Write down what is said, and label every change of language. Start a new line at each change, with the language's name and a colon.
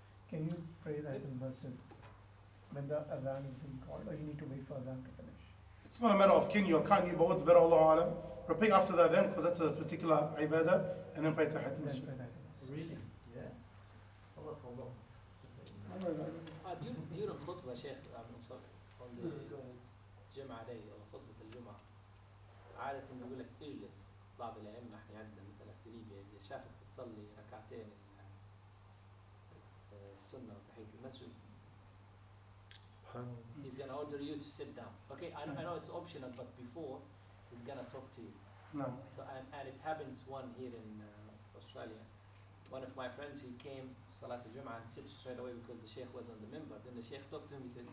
English: Can you pray Tahiyyat al-Masjid when the Adhan is being called, or you need to wait for Adhan to finish? It's not a matter of kin, you can't, but what's better, Allahu A'lam. Repeat after the Adhan, because that's a particular ibadah, and then pray Tahiyyat al-Masjid. Really? Yeah. During khutbah, Sheikh, I'm sorry.
Arabic: الجمعه دي او خطبه الجمعه عاده يقول لك اجلس بعض الايام نحن عندنا مثلا في ليبيا اللي شافك تصلي ركعتين السنه وتحيه المسجد سبحان الله
English: he's gonna order you to sit down okay I know it's optional but before he's gonna talk to you so and it happens one here in Australia one of my friends he came Salat al-Jum'ah and sits straight away because the Sheikh was on the member. Then the Sheikh talked to him, he said,